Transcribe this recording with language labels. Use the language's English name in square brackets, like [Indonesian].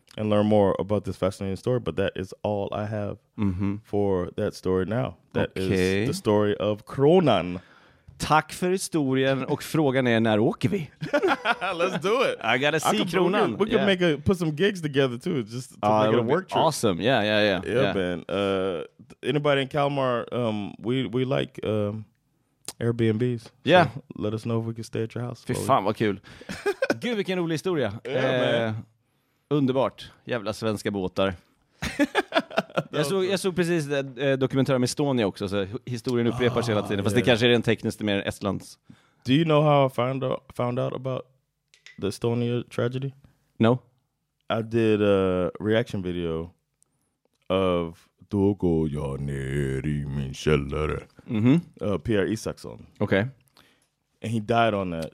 [English] And learn more about this fascinating story, but that is all I have for that story now. That okay. is the story of Kronan. [Swedish] Tack för historien och frågan är när åker vi? [English] Let's do it. I gotta see Kronan. We can make put some gigs together too, just to make it a work trip. Awesome. Yeah. Yeah, man. Anybody in Kalmar, we like Airbnbs. Yeah. So let us know if we can stay at your house. [Swedish] Fy fan vad kul. Gud vilken rolig historia. Underbart. Jävla svenska båtar. jag såg precis dokumentär om Estonia också. Så historien upprepar sig hela tiden. Fast det kanske är en tekniskt mer Estlands. [English] Do you know how I found out about the Estonia tragedy? No. I did a reaction video of Då går jag ner i min källare. Mm-hmm. Per Isaksson. Okay. And he died on that.